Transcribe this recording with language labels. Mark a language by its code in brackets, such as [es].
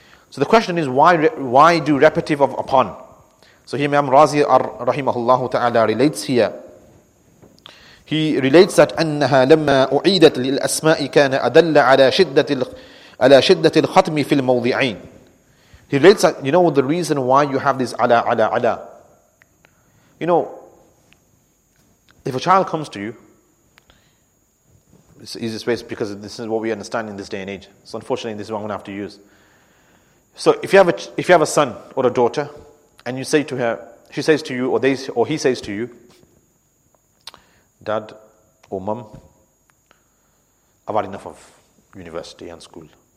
[en] So the question is, why do repetitive of upon? So here Imam Razi rahimahullah ta'ala relates here. He relates that [ar] أنها لما أعيدت للأسماء كان أدل على شدة الختم في الموضعين. [en] He relates that, you know, the reason why you have this ala. You know, if a child comes to you, it's the easiest way, because this is what we understand in this day and age. So unfortunately, this is what I'm going to have to use. So if you have a son or a daughter, and you say to her, she says to you, or he says to you, Dad or Mum, I've had enough of university and school.